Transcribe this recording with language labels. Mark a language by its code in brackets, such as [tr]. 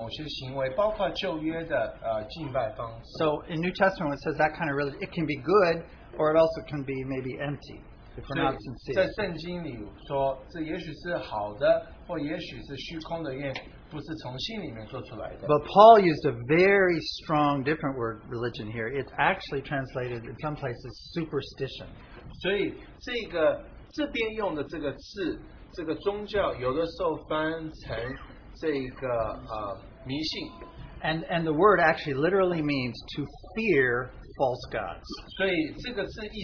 [zh] 所以宗教可以翻有两个字，一个就是讲到宗教的某些行为，包括旧约的敬拜方式。 [en] So in New Testament, it says that kind of really it can be good, or it also can be maybe empty. If we're not sincere. But Paul used a very strong different word, religion, here. It's actually translated in some places superstition. [zh] 所以这个这边用的这个字，这个宗教有的时候翻成这个迷信。 [en] And the word actually literally means to fear false gods.